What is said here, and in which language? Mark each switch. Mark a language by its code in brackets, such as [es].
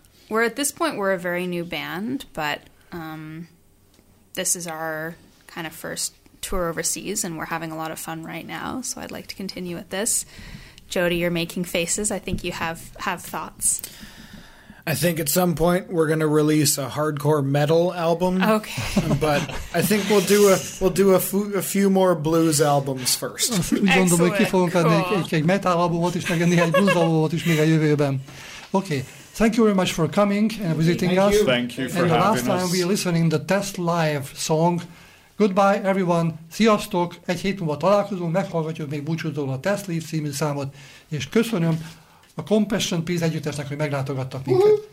[en] We're at this point, we're a very new band, but this is our kind of first tour overseas, and we're having a lot of fun right now, so I'd like to continue with this. Jody, you're making faces. I think you have thoughts. I think at some point we're going to release a hardcore metal album. Okay. But I think we'll do a few more blues albums first. [hu] Úgy gondolom, hogy ki fogunk adni egy metal albumot is, meg néhány blues albumot is még a jövőben. [en] Okay. Thank you very much for coming and visiting us. Thank you for having us. And the last time we were listening the Test Live song. Goodbye, everyone. [hu] Sziasztok. Egy hét múlva találkozunk, meghallgatjuk még búcsúzóan a Test Live című számot, és köszönöm a Compassion Peace együttesnek, hogy meglátogattak minket.